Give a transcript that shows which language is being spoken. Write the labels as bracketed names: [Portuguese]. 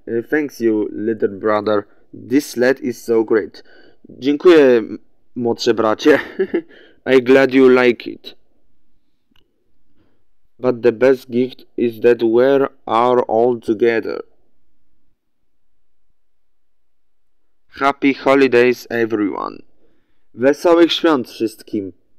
[English] thanks you, little brother. This lad is so great. [Polish] Dziękuję, młodsze bracie. [English] I glad you like it. But the best gift is that we are all together. Happy holidays, everyone. [Polish] Wesołych świąt wszystkim.